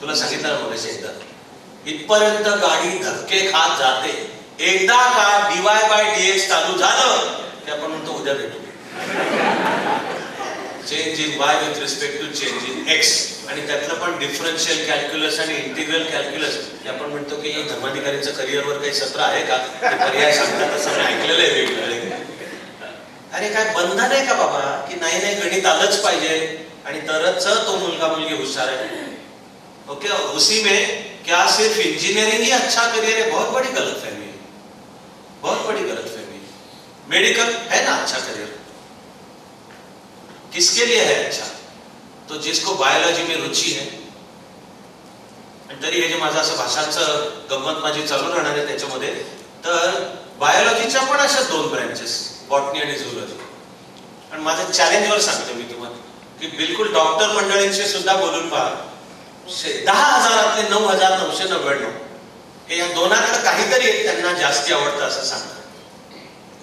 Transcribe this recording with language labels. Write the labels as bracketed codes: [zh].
[mr] तुला सांगितलं ना मगाशी एकदा, इथपर्यंत गाडी धक्के खात जाते, एकदा का डीवाय बाय डीएक्स चालू झालं की आपण म्हणतो उद्या भेटू, [en] change in y with respect to change in x, [mr] आणि त्यातलं पण डिफरन्शियल कॅल्क्युलस आणि इंटिग्रल कॅल्क्युलस हे आपण म्हणतो की धर्माधिकारींचं करिअरवर काही सत्र आहे का, पर्याय सांगतात असं मी ऐकलेलं आहे वेगवेगळे। अरे काय बंधन आहे का बाबा की नाही नाही गणित आलंच पाहिजे आणि तरच तो मुलगा मुलगी हुशार आहे। [hi] ओके उसी में क्या सिर्फ इंजिनियरिंग ही अच्छा करियर है, बहुत बड़ी गलत फहमी है, बहुत बड़ी गलत फहमी है। मेडिकल है ना अच्छा करियर, किसके लिए है अच्छा, तो जिसको बायोलॉजी में रुचि है। [mr] तरी हे जे माझं असं भाषांच गंमत माझी चालू राहणार आहे त्याच्यामध्ये, तर बायोलॉजीच्या पण अशा दोन ब्रँचेस बॉटनी आणि झूलॉजी। पण माझ्या चॅलेंजवर सांगतो मी तुम्हाला की बिलकुल डॉक्टर मंडळींशी सुद्धा बोलून पहा, 10,000 to 9,999 हे या दोनांकडे काहीतरी आहे त्यांना जास्ती आवडतं असं सांगतात।